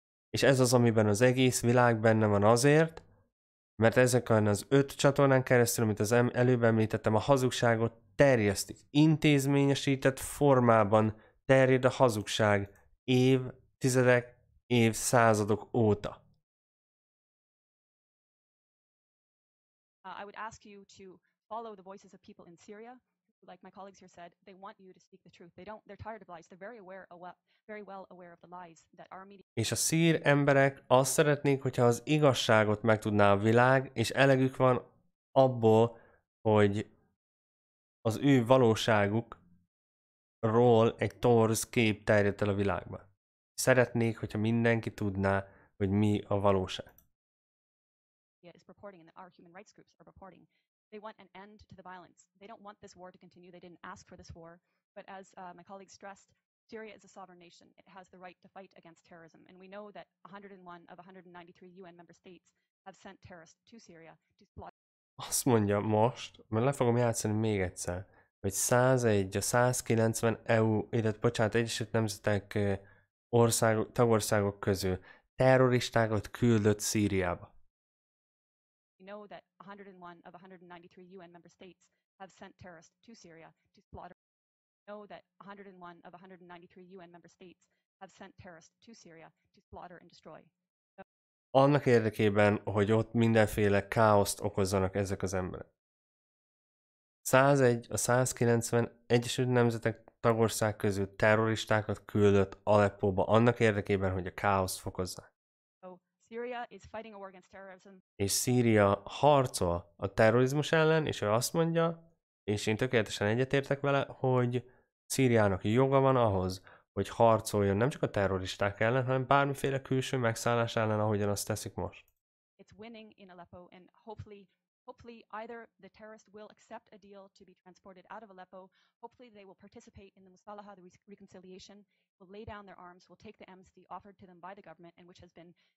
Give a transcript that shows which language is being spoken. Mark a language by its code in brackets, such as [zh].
[hu] És ez az, amiben az egész világ benne van azért, mert ezeken az öt csatornán keresztül, amit az előbb említettem, a hazugságot terjesztik. Intézményesített formában terjed a hazugság évtizedek, évszázadok óta. [en] I would ask you to follow the voices of people in Syria. Like my colleagues here said, they want you to speak the truth. They're tired of lies. They're very well aware of the lies that our media. [hu] És a szír emberek azt szeretnék, hogyha az igazságot megtudná a világ, és elegük van abból, hogy az ő valóságukról egy torz kép terjedt el a világba. Szeretnék, hogyha mindenki tudná, hogy mi a valóság. [en] Is reporting and our human rights groups are reporting. They want an end to the violence. They don't want this war to continue. They didn't ask for this war. But as my colleague stressed, Syria is a sovereign nation. It has the right to fight against terrorism. And we know that 101 of 193 UN member states have sent terrorists to Syria to slaughter. [hu] Azt mondja most, mert le fogom játszani még egyszer, hogy 101 a 190 EU, illetve bocsánat, Egyesült Nemzetek tagországok közül terroristákat küldött Szíriába. [en] We know that 101 of 193 UN member states have sent terrorists to Syria to slaughter. We know that 101 of 193 UN member states have sent terrorists to Syria to slaughter and destroy. So [hu] annak érdekében, hogy ott mindenféle káoszt okozzanak ezek az emberek. 101 a 190 Egyesült Nemzetek tagország közül terroristákat küldött Aleppóba annak érdekében, hogy a káoszt fokozzák. [en] Syria is fighting a war against terrorism. [hu] És Szíria harcol a terrorizmus ellen, és ő azt mondja, és én tökéletesen egyetértek vele, hogy Szíriának joga van ahhoz, hogy harcoljon nem csak a terroristák ellen, hanem bármiféle külső megszállás ellen, ahogyan azt teszik most. [en] It's winning in Aleppo, and hopefully either the terrorists will accept a deal to be transported out of Aleppo, hopefully they will participate in the Musalaha, the reconciliation, will lay down their arms, will take the amnesty offered to them by the government and which has been